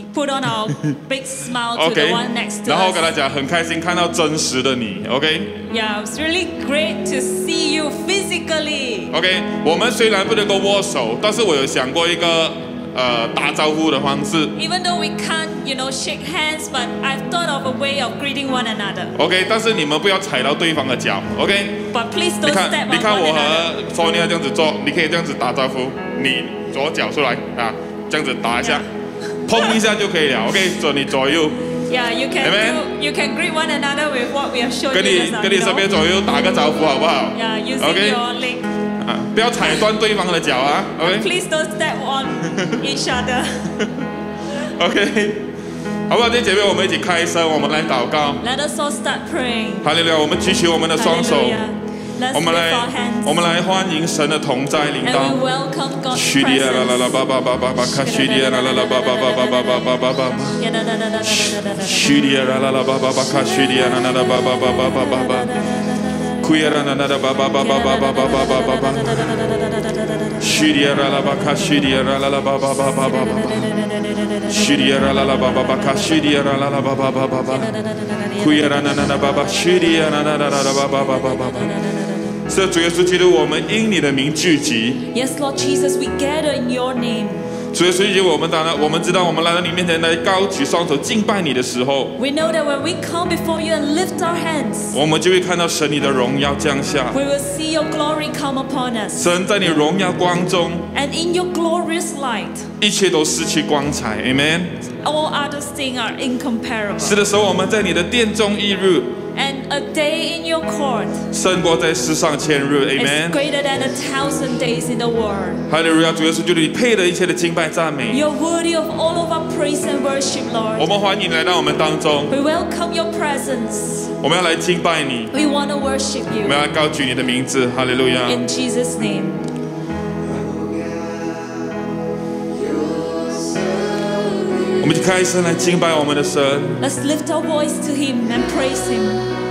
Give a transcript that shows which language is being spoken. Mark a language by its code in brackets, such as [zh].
[en] on our big smile to okay, the one next to us. [zh] 然后跟他讲很开心看到真实的你 OK? [en] Yeah, it's really great to see you physically. [zh] OK, 我们虽然不能够握手但是我有想过一个打招呼的方式。 [en] Even though we can't, you know, shake hands, but I've thought of a way of greeting one another. [zh] OK, 但是你们不要踩到对方的脚 OK? [en] But please don't step on one another. [zh] 你看我和 Sonia 这样子做你可以这样子打招呼你左脚出来啊这样子打一下、yeah. 碰一下就可以了 OK, 所以你左右 [en] Yeah, you can, do, you can greet one another with what we have shown [zh] 跟你 [en] you just now, [zh] 跟你身边左右打个招呼好不好 [en] Yeah, using、okay? your leg、 [zh] 啊、不要踩断对方的脚啊 OK, [en] please don't step on each other [zh] OK, 好不好弟兄姐妹我们一起开声我们来祷告 [en] Let us all start praying [zh] Hallelujah, 我们举起我们的双手、 [en] Hallelujah. [zh] 我们来，我们来欢迎神的同在领导。 [en] And we welcome God's presence. 叙利亚啦啦啦，巴巴巴巴巴，卡叙利亚啦啦啦，巴巴巴巴巴巴巴巴巴。叙利亚啦啦啦，巴巴巴卡叙利亚啦啦啦，巴巴巴巴巴巴巴。库耶啦啦啦啦，巴巴巴巴巴巴巴巴巴巴巴。叙利亚啦啦巴卡叙利亚啦啦啦，巴巴巴巴巴巴巴。叙利亚啦啦啦，巴巴巴卡叙利亚啦啦啦，巴巴巴巴巴。库耶啦啦啦啦，巴巴叙利亚啦啦啦啦啦，巴巴巴巴巴巴。 [zh] 是主耶稣基督，我们因你的名聚集。 [en] Yes, Lord Jesus, we gather in your name. [zh] 主耶稣基督，我们当然我们知道，我们来到你面前来高举双手敬拜你的时候 [en] ，We know that when we come before you and lift our hands， [zh] 我们就会看到神你的荣耀降下。 [en] We will see your glory come upon us。 [zh] 神在你荣耀光中 [en] ，And in your glorious light， [zh] 一切都失去光彩。Amen。 [en] All other things are incomparable。 [zh] 是的时候，我们在你的殿中一日。 [en] And a day in your court, [zh] 胜过在世上千日 ，Amen. [en] It's greater than a thousand days in the world. [zh] Hallelujah, 主耶稣，就是你配得一切的敬拜赞美。 [en] You're worthy of all of our praise and worship, Lord. [zh] 我们欢迎你来到我们当中。 [en] We welcome your presence. [zh] 我们要来敬拜你。 [en] We want to worship you. [zh] 我们要高举你的名字 ，Hallelujah. [en] In Jesus' name. [zh] 我们就开声来敬拜我们的神。 [en] Let's lift our voice to Him and praise Him.